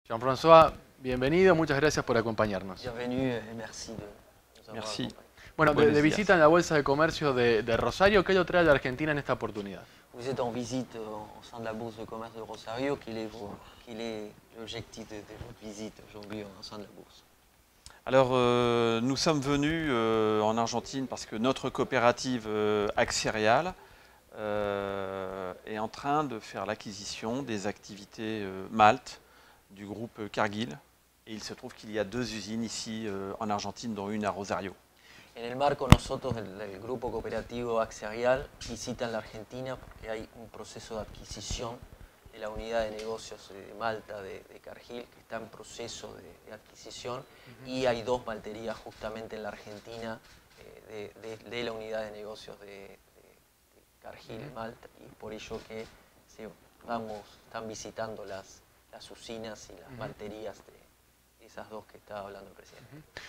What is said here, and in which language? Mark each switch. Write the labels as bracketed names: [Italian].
[Spanish] Jean-François, bienvenido, muchas gracias por acompañarnos. Bienvenido y [French] merci de nos [Spanish] haber acompañado. Bueno, de visita en la Bolsa de Comercio de Rosario, ¿qué lo trae a la Argentina en esta oportunidad? [French] Vous êtes en visite au sein de la Bourse de Commerce de Rosario. Quel est l'objectif de votre visite aujourd'hui au sein de la Bourse? Alors, nous sommes venus en Argentine parce que notre coopérative Axerial est en train de faire l'acquisition des activités Malte du groupe Cargill. Et il se trouve qu'il y a deux usines ici en Argentine, dont une à Rosario. [Spanish] En el marco, nosotros, el grupo cooperativo Axerial, visita en la Argentina porque hay un proceso de adquisición de la unidad de negocios de Malta, de Cargill, que está en proceso de adquisición, y hay dos malterías justamente en la Argentina de la unidad de negocios de Cargill, Malta, y por ello que están visitando las usinas y las malterías de esas dos que estaba hablando el presidente.